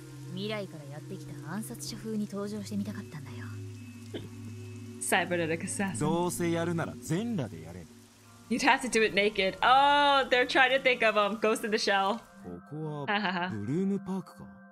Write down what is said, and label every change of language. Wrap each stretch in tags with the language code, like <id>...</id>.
<ja>未来からやってきた暗殺者風に登場してみたかったんだよ。</ja> <en>Cybernetic assassin.</en> <ja>どうせやるなら全裸でやれ。</ja> <en>You'd have to do it naked. Oh, they're trying to think of Ghost in the Shell.</en> <ja>ここはブルームパークか。</ja>